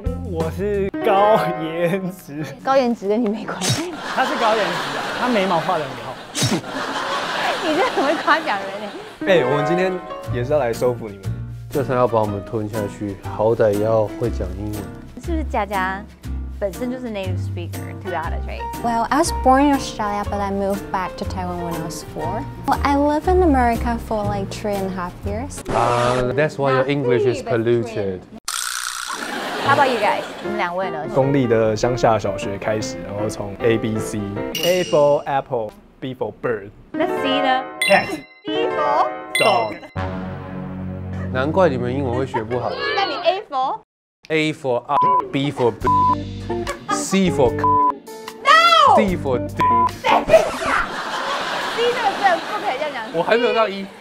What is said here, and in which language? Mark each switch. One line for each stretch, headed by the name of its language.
Chinese: 我是高颜值。高颜值跟你没关系。他是高颜值，他眉毛画得很好。你这很会夸奖人哎。我们今天也是要来收服你们，就算要把我们吞下去，好歹要会讲英文。是不是佳佳？本身就是
English: native speaker to be honest, right? Well, I was born in Australia, but I moved back to Taiwan when I was 4. Well, I live in America for like 3.5 years. That's why your English is polluted. How about you guys?
Chinese: 你们两位呢？公立的乡下小学开始，然后从 A B C,
English: A for apple, B for bird.
Chinese: 那 C 呢？
English: Cat. B for dog.
Chinese: 难怪你们英文会学不好。那你
English: A for? A for up, B for B, C for c- no, D for D.
Chinese: C 这个字不可以这样讲。我还没有到 E。